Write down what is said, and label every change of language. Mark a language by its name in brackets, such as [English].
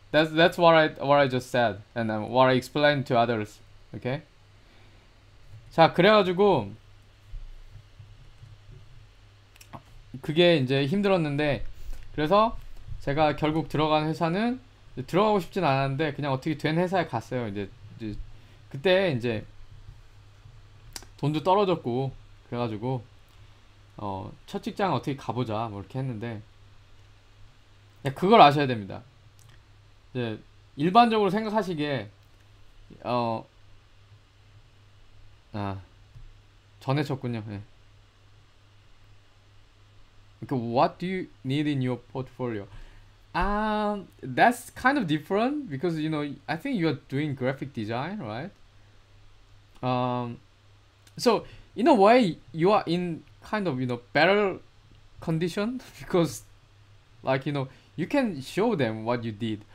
[English] That's what I just said, and what I explained to others. [Korean] Okay, 자, 그래가지고 그게 이제 힘들었는데, 그래서 제가 결국 들어간 회사는 들어가고 싶진 않았는데 그냥 어떻게 된 회사에 갔어요. 이제 그때 이제 돈도 떨어졌고, 그래가지고 첫 직장 어떻게 가보자 뭐 이렇게 했는데, 그걸 아셔야 됩니다. 이제 일반적으로 생각하시기에 전해졌군요. 네. [English] What do you need in your portfolio? That's kind of different because, you know, I think you are doing graphic design, right? So in a way, you are in kind of, you know, better condition because, like, you know, you can show them what you did.